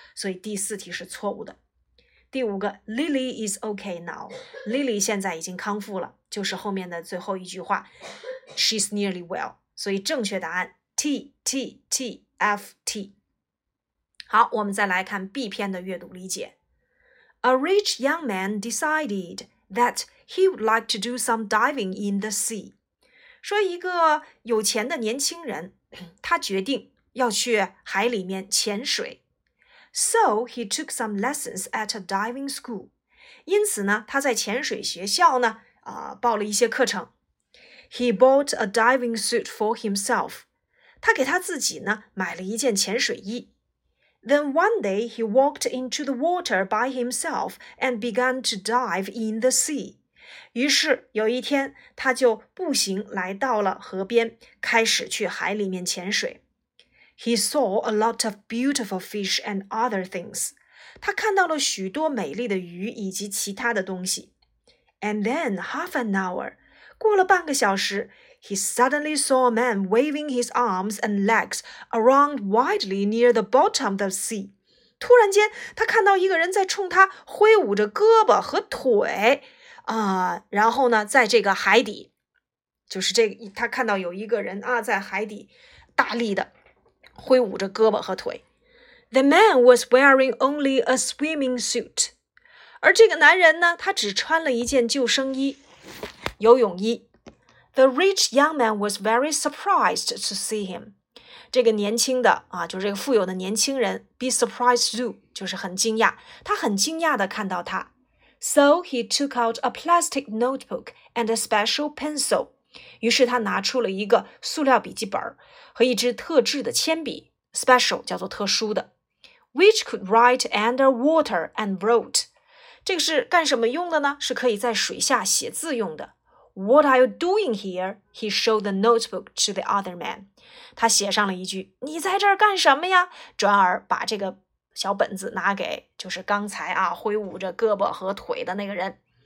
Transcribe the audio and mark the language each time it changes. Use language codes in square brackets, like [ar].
[zh] 所以第四题是错误的。第五个 [en] Lily is okay now. [zh] Lily 现在已经康复了就是后面的最后一句话 [en] She's nearly well. [zh] 所以正确答案 TTTFT。好我们再来看 B 篇的阅读理解。 [en] A rich young man decided that he would like to do some diving in the sea. [zh] 说一个有钱的年轻人他决定要去海里面潜水。 [en] So he took some lessons at a diving school. [zh] 因此呢他在潜水学校呢报了一些课程。 [en] He bought a diving suit for himself. [zh] 他给他自己呢买了一件潜水衣。 [en] Then one day he walked into the water by himself and began to dive in the sea. [zh] 于是有一天他就步行来到了河边开始去海里面潜水。 [en] He saw a lot of beautiful fish and other things. [zh] 他看到了许多美丽的鱼以及其他的东西。 [en] And then half an hour, [zh] 过了半个小时, [en] he suddenly saw a man waving his arms and legs around widely near the bottom of the sea. [zh] 突然间他看到一个人在冲他挥舞着胳膊和腿然后呢在这个海底就是这个他看到有一个人在海底大力的。挥舞着胳膊和腿。 [en] The man was wearing only a swimming suit. [zh] 而这个男人呢他只穿了一件救生衣游泳衣。 [en] The rich young man was very surprised to see him. [zh] 这个年轻的就是这个富有的年轻人 [en] be surprised to, [zh] 就是很惊讶他很惊讶地看到他。 [en] So he took out a plastic notebook and a special pencil. [zh] 于是他拿出了一个塑料笔记本和一支特制的铅笔 ,special, 叫做特殊的 , [en] which could write underwater and wrote. [zh] 这个是干什么用的呢是可以在水下写字用的。 [en] What are you doing here? He showed the notebook to the other man. [zh] 他写上了一句你在这儿干什么呀转而把这个小本子拿给就是刚才挥舞着胳膊和腿的那个人。